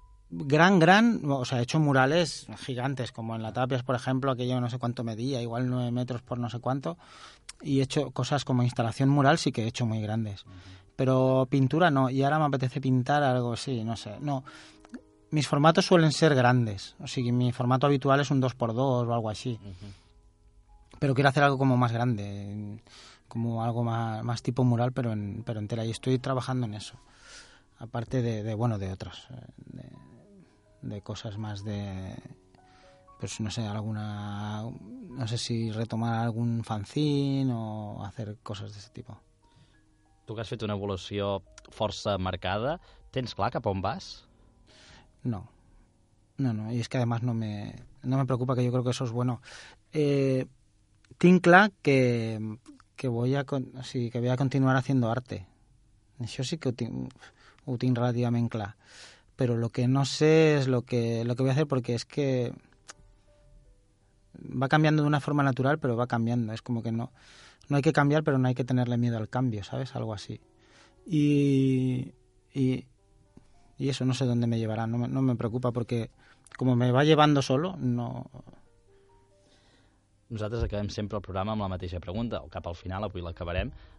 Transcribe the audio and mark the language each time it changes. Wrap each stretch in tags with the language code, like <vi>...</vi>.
<es>Gran, o sea, he hecho murales gigantes, como en la Tapias, por ejemplo, aquello no sé cuánto medía, igual 9 metros por no sé cuánto, y he hecho cosas como instalación mural, sí que he hecho muy grandes, pero pintura no, y ahora me apetece pintar algo, sí, no sé, no, mis formatos suelen ser grandes, o sea, mi formato habitual es un 2x2 o algo así, pero quiero hacer algo como más grande, como algo más tipo mural, pero entera, y estoy trabajando en eso. Aparte de otras, de cosas más de, pues no sé, alguna, no sé si retomar algún fanzine o hacer cosas de ese tipo.</es> <ca>Tu que has fet una evolució força marcada, tens clar cap on vas?</ca> <es>No, y es que además no me preocupa, que yo creo que eso es bueno.</es> <ca>Tinc clar</ca> <es>que voy a que voy a continuar haciendo arte.</es> <ca>Això sí que ho tinc relativament clar. Però el que no sé és el que</ca> <es>voy a hacer,</es> <ca>perquè és que va canviando d'una forma natural, però va canviando. És com que</ca> <es>no hay que cambiar,</es> <ca>però</ca> <es>no hay que tenerle miedo al cambio, ¿sabes? Algo así. Y eso no sé dónde me llevará. No me preocupa, porque como me va llevando solo, no...</es> <ca>Nosaltres acabem sempre el programa amb la mateixa pregunta, o cap al final, avui l'acabarem.</ca>